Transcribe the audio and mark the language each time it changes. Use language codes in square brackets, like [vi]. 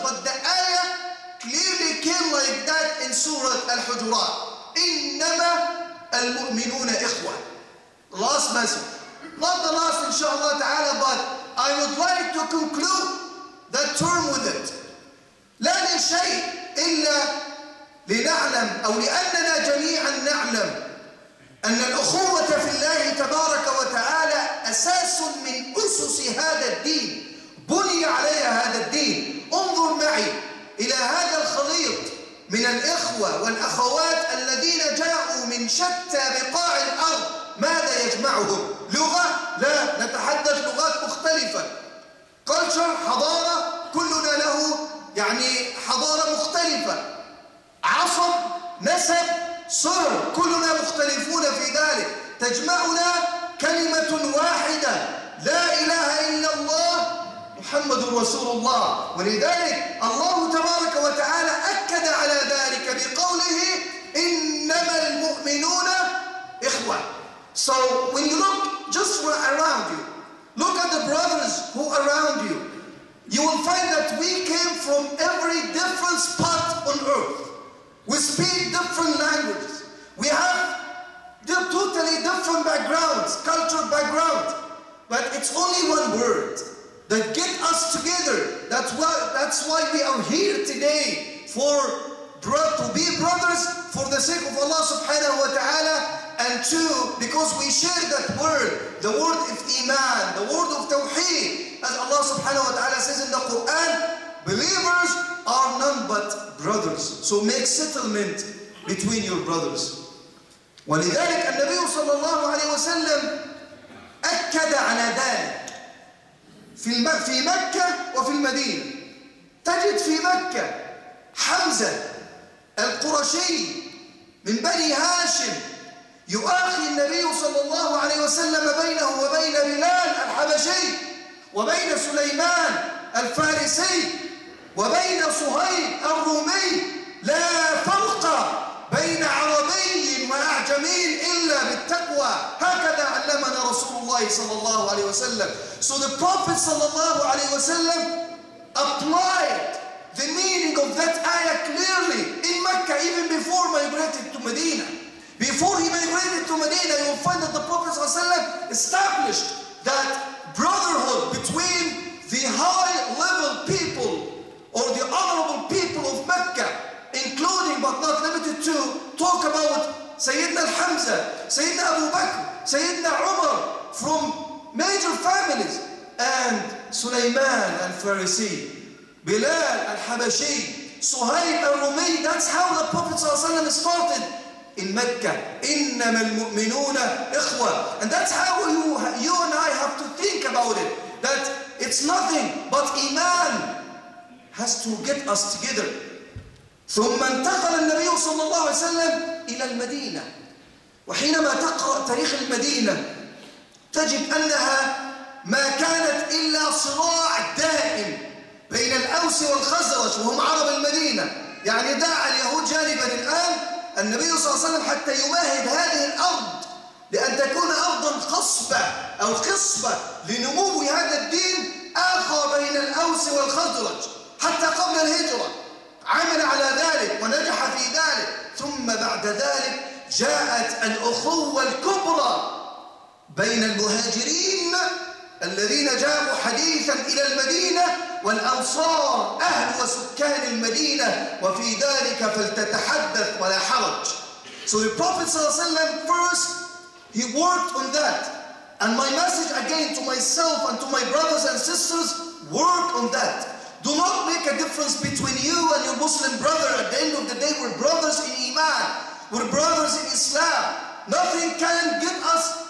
[en] But the ayah clearly came like that in Surah Al-Hujurat. [ar] إِنَّمَا الْمُؤْمِنُونَ إِخْوَةً. [en] Last message. Not the last inshaAllah ta'ala, but I would like to conclude that term with it. [ar] لا من شيء إلا لنعلم أو لأننا جميعا نعلم أن الأخوة في الله تبارك وتعالى أساس من أسس هذا الدين، بني عليها هذا الدين. انظر معي إلى هذا الخليط من الإخوة والأخوات الذين جاءوا من شتى بقاع الأرض، ماذا يجمعهم؟ لغة؟ لا، نتحدث لغات مختلفة. كلتشر، حضارة، كلنا له يعني حضارة مختلفة. عصب، نسب، سر، كلنا مختلفون في ذلك. تجمعنا كلمة واحدة، لا إله إلا الله محمد رسول الله. ولذلك الله تبارك وتعالى أكد على ذلك بقوله إنما المؤمنون إخوة. [en] So when you look just around you, look at the brothers who are around you, you will find that we came from every different spot on earth. We speak different languages. We have the totally different backgrounds, cultural background. But it's only one word that get us together. That's why we are here today, for to be brothers for the sake of Allah subhanahu wa ta'ala. And two, because we share that word, the word of iman, the word of tawheed, as Allah subhanahu wa ta'ala says in the Quran, believers are none but brothers. So make settlement between your brothers. [ar] ولذلك النبي صلى الله عليه وسلم أكد على ذلك في مكة وفي المدينة. تجد في مكة حمزة القرشي من بني هاشم يؤاخي النبي صلى الله عليه وسلم بينه وبين بلال الحبشي، وبين سليمان الفارسي، وبين صهيب الرومي. لا فرق بين عربي وأعجمي إلا بالتقوى، هكذا علمنا رسول الله صلى الله عليه وسلم. [en] So the Prophet صلى الله عليه وسلم applied the meaning of that ayah clearly in Mecca, even before migrated to Medina. Before he migrated to Medina, you will find that the Prophet ﷺ established that brotherhood between the high level people or the honorable people of Mecca, including but not limited to, talk about Sayyidina al-Hamza, Sayyidina Abu Bakr, Sayyidina Umar from major families, and Sulaiman al-Farisi, Bilal al-Habashi, Suhaib al-Rumi. That's how the Prophet ﷺ started in Mecca. [ar] إِنَّمَا الْمُؤْمِنُونَ إِخْوَةً. [en] And that's how you and I have to think about it. That it's nothing but iman has to get us together. [ar] ثُمَّ انْتَقَلَ النَّبِيُّ صَلَّى اللَّهُ عَلَيْهِ وَسَلَّمُ إِلَى الْمَدِينَةِ. وحينما تقرأ تاريخ المدينة تجد أنها ما كانت إلا صراع دائم بين الأوس والخزرج وهم عرب المدينة. يعني دعا اليهود جانباً الآن النبي صلى الله عليه وسلم حتى يمهد هذه الأرض لأن تكون أرضاً خصبة أو قصبة لنمو هذا الدين، آخى بين الأوس والخزرج حتى قبل الهجرة، عمل على ذلك ونجح في ذلك. ثم بعد ذلك جاءت الأخوة الكبرى بين المهاجرين الذين جاءوا حديثاً إلى المدينة والأنصار أهل وسكان المدينة، وفي ذلك فلتتحدث ولا حرج. [en] So the Prophet صلى الله عليه وسلم first he worked on that. And my message again to myself and to my brothers and sisters, work on that. Do not make a difference between you and your Muslim brother. At the end of the day, we're brothers in Iman. We're brothers in Islam. Nothing can get us